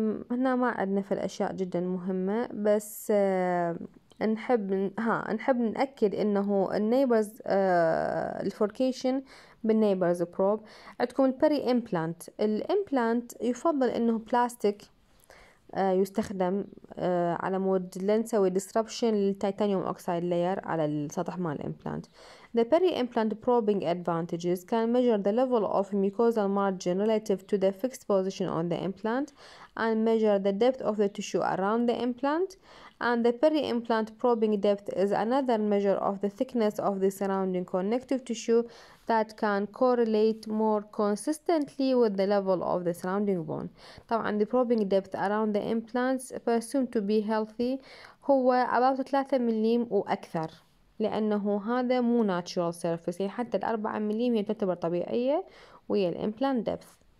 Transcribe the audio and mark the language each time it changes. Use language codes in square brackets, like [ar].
[ar] هنا ما عندنا في الأشياء جدا مهمة، بس نحب نأكد إنه النيبرز الفوركيشن بالنيبرز بروب. عندكم البري إمبلانت، الإمبلانت يفضل إنه بلاستيك يستخدم على مود لنسوي ديسربشن للتيتانيوم أوكسيد لاير على السطح مال الإمبلانت. [en] The peri-implant probing advantages can measure the level of mucosal margin relative to the fixed position on the implant and measure the depth of the tissue around the implant. And the peri-implant probing depth is another measure of the thickness of the surrounding connective tissue that can correlate more consistently with the level of the surrounding bone. [ar] طبعا [en] the probing depth around the implants presumed to be healthy [ar] هو about 3 مليم وأكثر، لأنه هذا مو [en] natural surface، [ar] يعني حتى 4 مليم هي تعتبر طبيعية وهي implant depth.